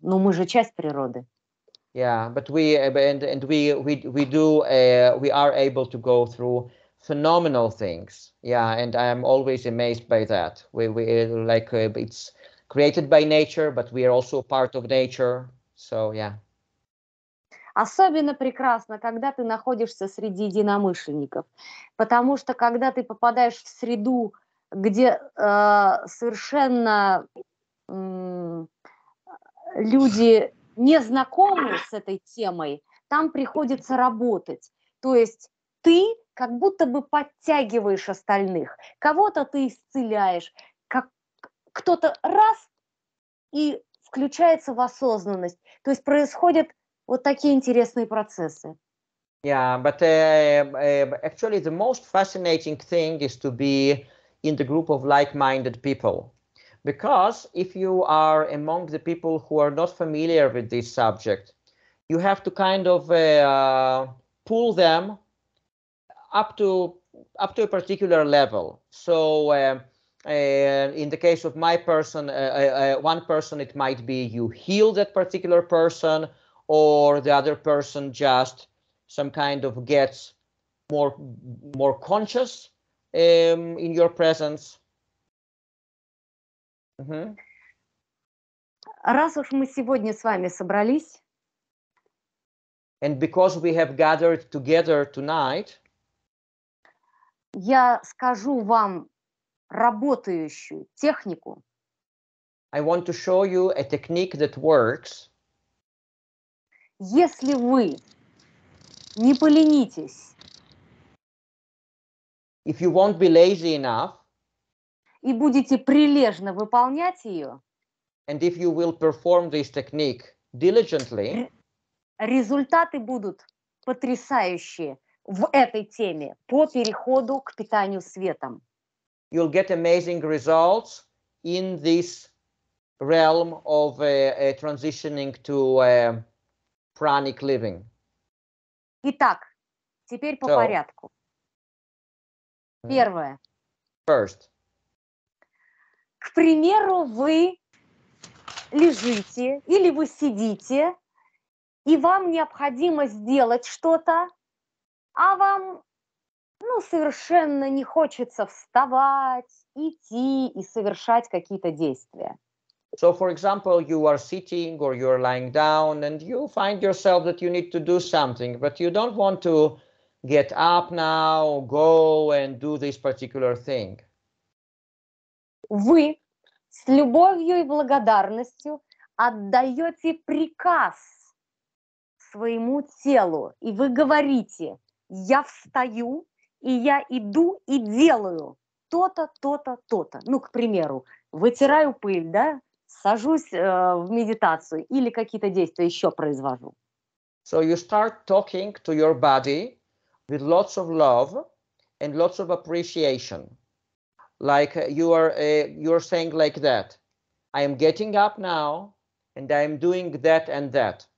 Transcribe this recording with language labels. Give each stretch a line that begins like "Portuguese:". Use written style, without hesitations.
Russian: Но мы же часть природы.
English: Yeah, but we are able to go through phenomenal things. Yeah, and I am always amazed by that. We it's created by nature, but we are also part of nature. So yeah.
Russian: Особенно прекрасно, когда ты находишься среди единомышленников, потому что когда ты попадаешь в среду, где совершенно люди не знакомы с этой темой, там приходится работать. То есть ты как будто бы подтягиваешь остальных. Кого-то ты исцеляешь, как кто-то раз и включается в осознанность. То есть происходят вот такие интересные процессы.
English: Yeah, but actually the most fascinating thing is to be in the group of like-minded people. Because if you are among the people who are not familiar with this subject, you have to kind of pull them up to a particular level. So in the case of my person, one person, it might be you heal that particular person, or the other person just some kind of gets more conscious in your presence. Mm-hmm.
Russian: Раз уж мы сегодня с вами собрались,
English: and because we have gathered together tonight,
Russian: я скажу вам работающую технику.
English: I want to show you a technique that works.
Russian: Если вы не поленитесь,
English: if you won't be lazy enough,
Russian: и будете прилежно выполнять ее,
English: and if you will perform this technique diligently,
Russian: результаты будут потрясающие в этой теме по переходу к питанию светом.
English: You'll get amazing results in this realm of transitioning to pranic living.
Russian: Итак, теперь по порядку. Первое.
English: First.
Russian: К примеру, вы лежите или вы сидите, и вам необходимо сделать что-то, а вам, ну, совершенно не хочется вставать, идти и совершать какие-то действия.
English: So, for example, you are sitting or you are lying down and you find yourself that you need to do something, but you don't want to get up now, go and do this particular thing.
Russian: Вы с любовью и благодарностью отдаете приказ своему телу, и вы говорите: я встаю, и я иду и делаю то-то, то-то, то-то. Ну, к примеру, вытираю пыль, да? Сажусь в медитацию или какие-то действия еще произвожу.
English: So you start talking to your body with lots of love and lots of appreciation. Like you're saying like that. I am getting up now and I am doing that and that.